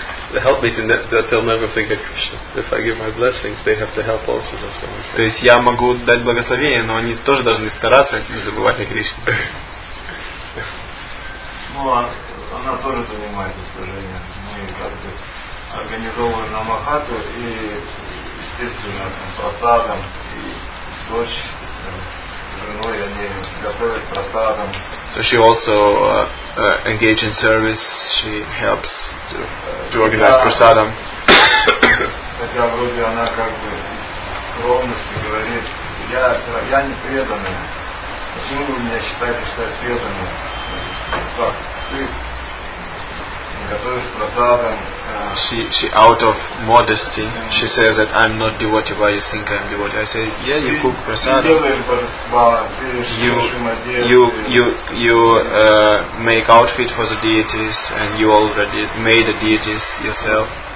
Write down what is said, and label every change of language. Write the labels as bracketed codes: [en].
[en] They help me to that they'll never forget Krishna. If I give my blessings, they have to help also. That's what I'm saying. [ru] То есть я могу дать благословение, но они тоже должны стараться не забывать о Кришне. Ну, она тоже занимается служением. Мы как бы организовываем намахату и, естественно, просадом. И дочь, женой они готовят просадом. [en] So she also engaged in service. She helps to organize prasadam. [ru] Хотя вроде она как бы скромности говорит, я не преданный. Почему вы меня считаете, что я преданный? Так, ты готовишь прасадам. [en] She out of modesty, she says that I'm not devotee, why you think I'm devotee? I say, yeah, you cook prasadam. You make outfit for the deities, and you already made the deities yourself.